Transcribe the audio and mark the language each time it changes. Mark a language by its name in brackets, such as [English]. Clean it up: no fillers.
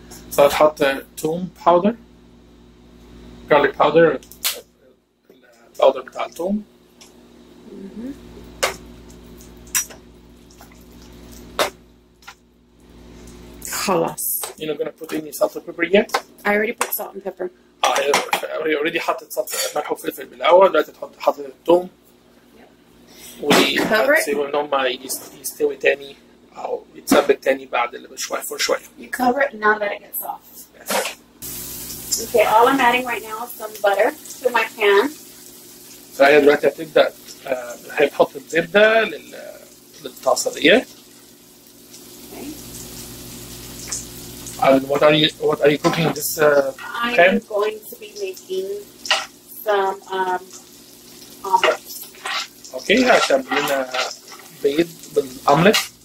[English] So I'll put thyme powder, garlic powder, powder [Arabic] بتاع [English] thyme. [Arabic] خلاص. [English] You're not gonna put any salt and pepper yet? I already put salt and pepper. Ah, I already [Arabic] حطيت [English] salt [Arabic] ملح وفلفل من الأول. دلوقتي حطيت الثوم. [English] Cover it. [Arabic] سيبه نوم يستوي تاني أو يتسبك تاني بعد اللي بشوي [English] for [Arabic] شوي. [English] You cover it and now let it get soft. Okay, all I'm adding right now is some butter to my pan. [Arabic] فهي دلوقتي هتبدأ هيحط الزبدة للطاسة دي. [English] And what are you cooking in this pan? I am going to be making some omelet. Okay, I'm going to make an omelet.